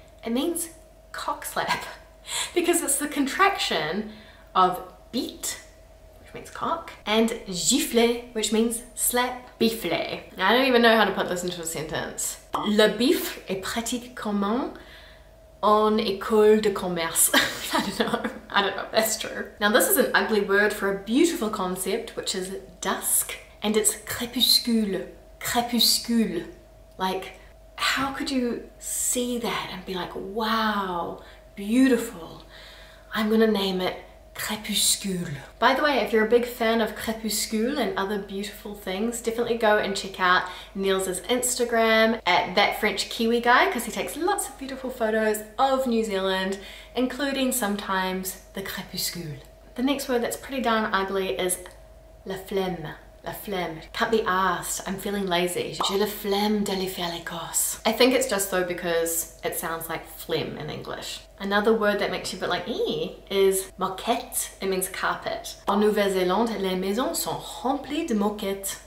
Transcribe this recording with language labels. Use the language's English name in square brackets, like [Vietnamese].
[English] It means cock slap because it's the contraction of beat, which means cock, and gifle, which means slap. Bifle. I don't even know how to put this into a sentence. [French] Le bif est pratique commun en école de commerce. [English] I don't know if that's true. Now this is an ugly word for a beautiful concept, which is dusk, and it's crépuscule. Crépuscule. Like, how could you see that and be like, wow, beautiful, I'm gonna name it crépuscule. By the way, if you're a big fan of crépuscule and other beautiful things, definitely go and check out Niels's Instagram at That French Kiwi Guy, because he takes lots of beautiful photos of New Zealand, including sometimes the crépuscule. The next word that's pretty darn ugly is la flemme. [French] La flemme. [English] Can't be asked. I'm feeling lazy. [French] J'ai la flemme d'aller faire les courses. [English] I think it's just though because it sounds like phlegm in English. Another word that makes you a bit like ee is moquette. It means carpet. [French] En Nouvelle-Zélande, les maisons sont remplies de moquette.